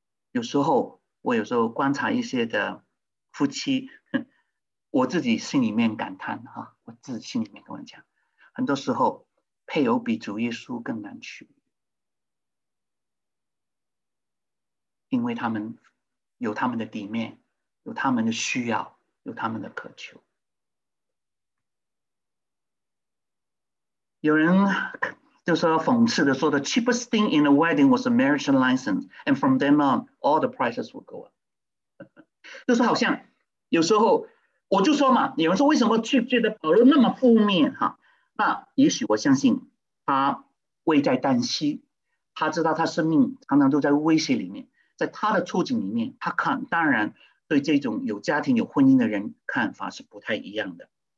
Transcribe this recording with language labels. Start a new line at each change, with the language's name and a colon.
Chinese: 有时候我有时候观察一些的夫妻，我自己心里面感叹哈，我自己心里面跟我讲。很多时候，配偶比主耶稣更难娶，因为他们有他们的底面，有他们的需要，有他们的渴求。有人就说讽刺的说：“
English: The cheapest thing in a wedding was a marriage license, and from then on, all the prices will go up。
Chinese: ”就是好像有时候我就说嘛，有人说为什么去觉得保罗那么负面哈？那也许我相信他危在旦夕，他知道他生命常常都在威胁里面，在他的处境里面，他看当然对这种有家庭有婚姻的人看法是不太一样的。